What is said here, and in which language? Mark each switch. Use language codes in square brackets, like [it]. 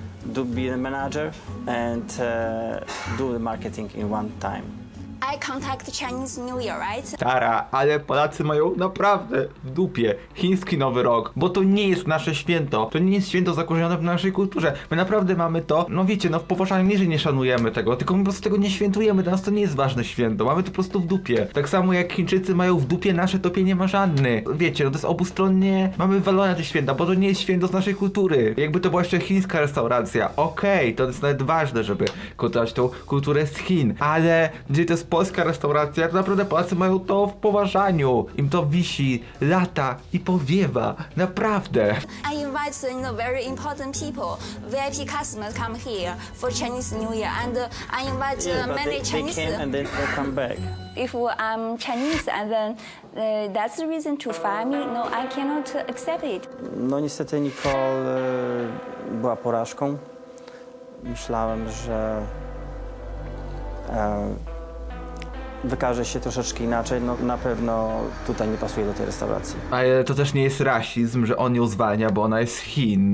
[en] Do be the manager and do the marketing in one time. eye contact Chinese New Year, right? [pl] Tara, ale Polacy mają naprawdę w dupie chiński Nowy Rok, bo to nie jest nasze święto. To nie jest święto zakorzenione w naszej kulturze. My naprawdę mamy to, no wiecie, no w poważnej mierze nie szanujemy tego, tylko my po prostu tego nie świętujemy. Dla nas to nie jest ważne święto. Mamy to po prostu w dupie. Tak samo jak Chińczycy mają w dupie nasze topienie marzanny. Wiecie, no to jest obustronnie. Mamy walone te święta, bo to nie jest święto z naszej kultury. Jakby to była jeszcze chińska restauracja. Okej, okay, to jest nawet ważne, żeby kontrolować tą kulturę z Chin. Ale gdzie to jest polska restauracja, to naprawdę Polacy mają to w poważaniu. Im to wisi, lata i powiewa. Naprawdę. [en] I invite, you know, very important people. VIP customers come here for Chinese New Year. And I invite many Chinese. They came and then they come back. If I'm Chinese and then that's the reason to fire me, no, I cannot accept it. [pl] No niestety Nicole była porażką. Myślałem, że wykaże się troszeczkę inaczej, no na pewno tutaj nie pasuje do tej restauracji. Ale to też nie jest rasizm, że on ją zwalnia, bo ona jest z Chin.